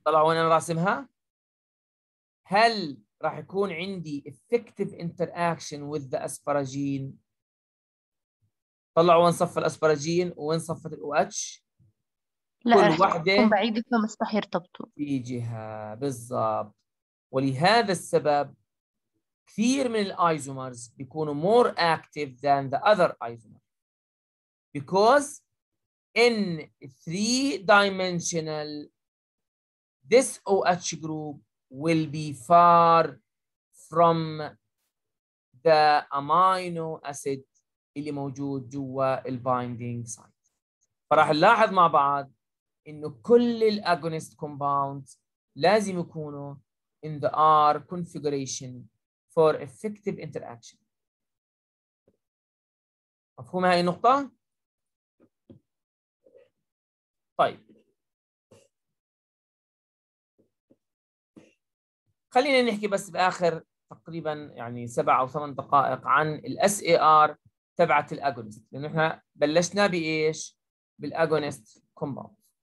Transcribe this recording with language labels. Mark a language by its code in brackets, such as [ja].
[ar] طلع وين أنا راسمها؟ هل راح يكون عندي [en] effective interaction with the asparagine؟ [ar] طلع وين صف الأسبراجين وين صفت الـ OH؟ لا كل رح واحدة تكون بعيدة فمستحيل يرتبطوا في جهة. بالضبط. ولهذا السبب كثير من الايزومرز بيكونوا [en] more active than the other isomer because in three-dimensional, this OH group will be far from the amino acid [ar] اللي موجود جوا البايندينج سايت. فراح نلاحظ مع بعض إنه كل الأجونيست كومباوندز لازم يكونوا [en] in the R configuration for effective interaction. [ar] مفهوم هاي النقطة؟ طيب خلينا نحكي بس بآخر تقريبا يعني 7 أو 8 دقائق عن الاس اي ار تبعت الاجونست، لأن احنا بلشنا بايش؟ بالاجونست كومباوند.